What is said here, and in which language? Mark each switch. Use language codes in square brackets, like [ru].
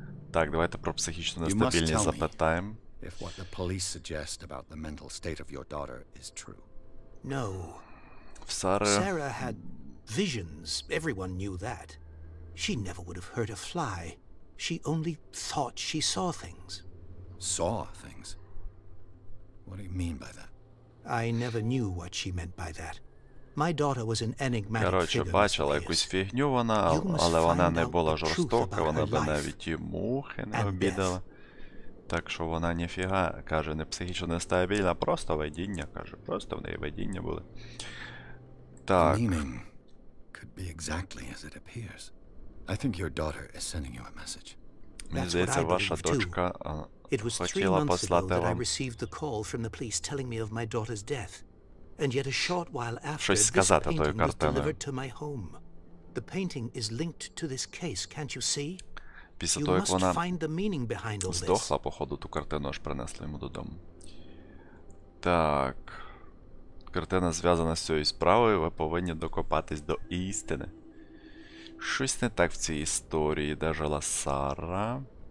[uk] Так, давайте про психічну нестабільність запитаємо. [en] If what the police suggest about the mental state of your daughter is true. No. Sarah had visions. Everyone knew that. She never would have hurt a fly. She only thought she saw things. Saw things? What do you mean by that? I never knew what she meant by that. My daughter was an enigmatic figure. [uk] Короче, бачила якусь фігню вона, але вона не була жорстока, вона би навіть і мухи не обідала. Так що вона ніфіга, каже, не психічно нестабільна, просто видіння, каже, просто в неї видіння були. Так. [en] Meaning could be exactly as it appears. I think your daughter is sending you a message. [uk] Мені здається, ваша дочка хотіла послати вам. [en] Received the call from the police telling me of my daughter's death. And yet a short while after this painting was delivered to my home. The painting is linked to this case, can't you see? [uk] Після того, як вона здохла, походу, ту картину аж принесли йому додому. Так. Картина зв'язана з цією справою, ви повинні докопатись до істини. Щось не так в цій історії, де жила Сара.